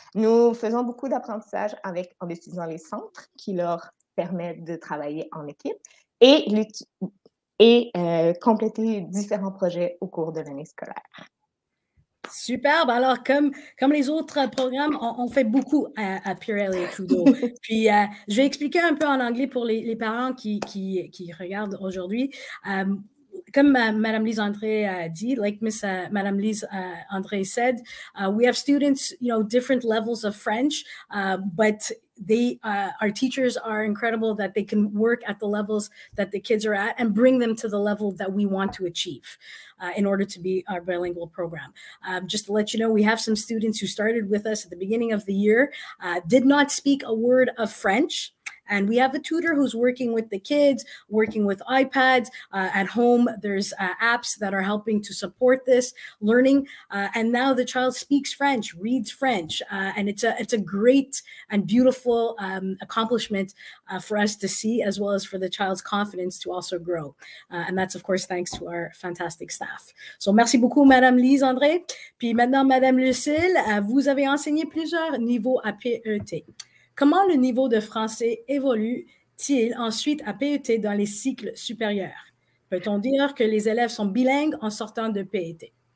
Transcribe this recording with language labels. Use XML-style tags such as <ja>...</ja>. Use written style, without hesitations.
<fr>Nous faisons beaucoup d'apprentissage en utilisant les centres qui leur permettent de travailler en équipe et compléter différents projets au cours de l'année scolaire. Superbe! Alors, comme les autres programmes, on fait beaucoup à Pierre Elliott Trudeau. Puis, je vais expliquer un peu en anglais pour les parents qui regardent aujourd'hui. Comme Madame Lisandre dit,</fr> <en>like Miss Madame Lisandre said, we have students, you know, different levels of French, but they, our teachers are incredible that they can work at the levels that the kids are at and bring them to the level that we want to achieve in order to be our bilingual program. Just to let you know, we have some students who started with us at the beginning of the year, did not speak a word of French. And we have a tutor who's working with the kids, working with iPads. At home, there's apps that are helping to support this learning. And now the child speaks French, reads French. And it's a great and beautiful accomplishment for us to see, as well as for the child's confidence to also grow. And that's, of course, thanks to our fantastic staff.</en> <fr>So merci beaucoup, Madame Lisandre. Puis maintenant, Madame Lucille, vous avez enseigné plusieurs niveaux à PET. Comment le niveau de français évolue-t-il ensuite à PET dans les cycles supérieurs? Peut-on dire que les élèves sont bilingues en sortant de PET?</fr>